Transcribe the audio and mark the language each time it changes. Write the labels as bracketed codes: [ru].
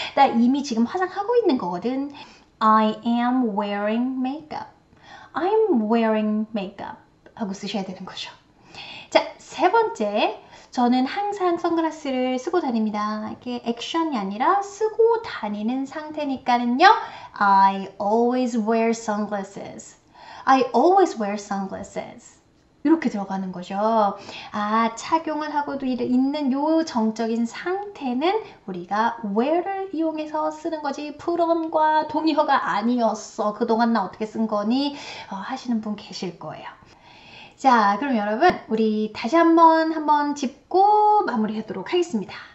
[ko] 나 이미 지금 화장하고 있는 거거든. [en] I am wearing makeup. I'm wearing makeup [ko] 하고 쓰셔야 되는 거죠. 자, 세 번째. 저는 항상 선글라스를 쓰고 다닙니다. 이게 액션이 아니라 쓰고 다니는 상태니까는요. [en] I always wear sunglasses. I always wear sunglasses. [ko] 이렇게 들어가는 거죠. 아, 착용을 하고도 있는 요 정적인 상태는 우리가 where를 이용해서 쓰는 거지, put on과 동의어가 아니었어. 그동안 나 어떻게 쓴 거니? 하시는 분 계실 거예요. 자, 그럼 여러분, 우리 다시 한번 짚고 마무리하도록 하겠습니다.